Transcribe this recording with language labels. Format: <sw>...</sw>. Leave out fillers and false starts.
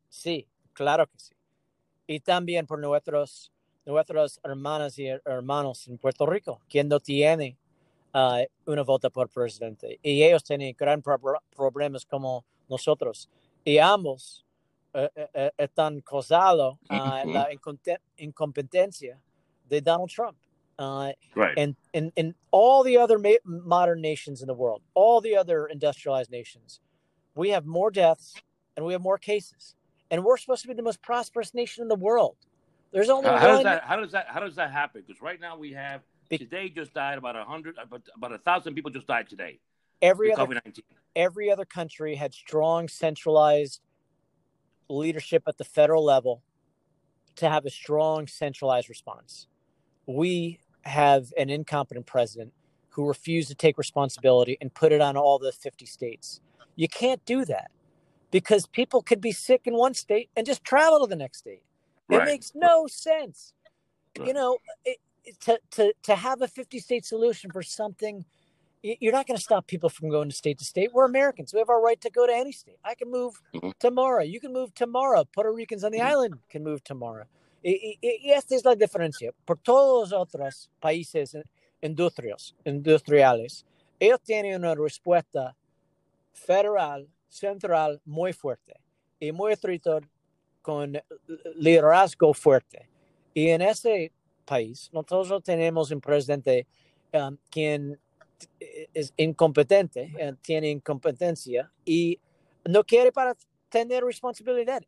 <es>Sí, claro que sí. Y también por nuestras hermanas y hermanos en Puerto Rico, quien no tiene una vota por presidente. Y ellos tienen grandes problemas como nosotros. Y ambos están causados la incompetencia de Donald Trump.</es> <en>And all the other modern nations in the world, all the other industrialized nations, we have more deaths and we have more cases. And we're supposed to be the most prosperous nation in the world. There's only How does that happen? Because right now we have today just died about 1,000 people just died today. Every other country had strong centralized leadership at the federal level to have a strong centralized response. We have an incompetent president who refused to take responsibility and put it on all the 50 states. You can't do that because people could be sick in one state and just travel to the next state. Right. It makes no sense. Right. You know, to have a 50-state solution for something, you're not going to stop people from going state to state. We're Americans. We have our right to go to any state. I can move tomorrow. You can move tomorrow. Puerto Ricans on the island can move tomorrow.</en> <es>Y esta es la diferencia. Por todos los otros países industriales, ellos tienen una respuesta federal, central, muy fuerte. Y muy estricto con liderazgo fuerte. Y en ese país, nosotros tenemos un presidente quien es incompetente, tiene incompetencia y no quiere para tener responsabilidad.</es>